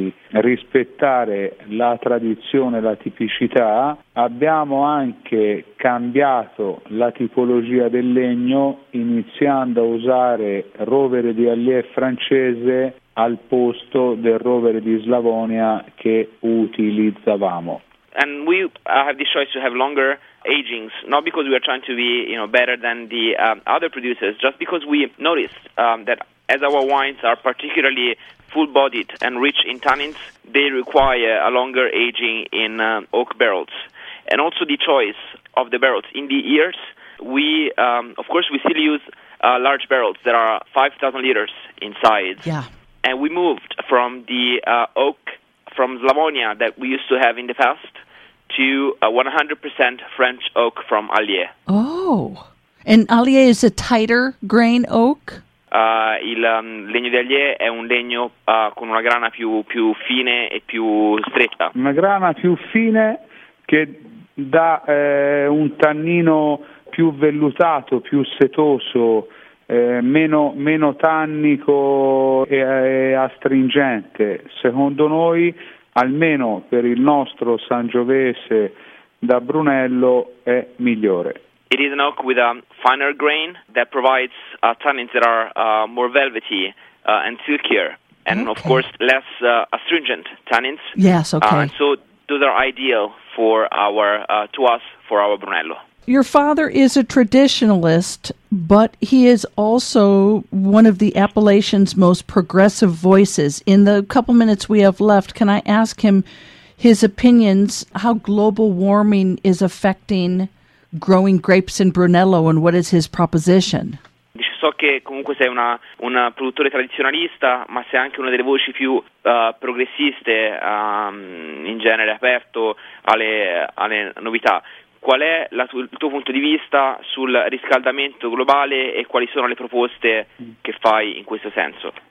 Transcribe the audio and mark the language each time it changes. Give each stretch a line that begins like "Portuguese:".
Italian: rispettare la tradizione, la tipicità, abbiamo anche cambiato la tipologia del legno, iniziando a usare rovere di Allier francese al posto del rovere di Slavonia che utilizzavamo.
English: And we have this choice to have longer agings, not because we are trying to be, you know, better than the other producers, just because we noticed that as our wines are particularly full-bodied and rich in tannins, they require a longer aging in oak barrels. And also the choice of the barrels. In the years, we, of course, we still use large barrels that are 5,000 liters in size. Yeah. And we moved from the oak from Slavonia that we used to have in the past to 100% French oak from Allier. Oh. And Allier is a tighter grain oak?
Italian: Il legno di Allier è un legno con una grana più fine e più stretta. Una grana più fine che dà un tannino più vellutato, più setoso, meno tannico e astringente. Secondo noi, almeno per il nostro Sangiovese da Brunello, è migliore.
English: It is an oak with a finer grain that provides tannins that are more velvety and silkier, and okay. Of course less astringent tannins. Yes, okay. And so those are ideal for our to us for our Brunello. Your father is a traditionalist, but he is also one of the Appalachian's most progressive voices. In the couple minutes we have left, can I ask him his opinions, how global warming is affecting growing grapes in Brunello, and what is his proposition?
Italian: Dice so che comunque sei un produttore tradizionalista, ma sei anche una delle voci più progressiste, in genere aperto alle novità. Qual è il tuo punto di vista sul riscaldamento globale e quali sono le proposte che fai in questo senso?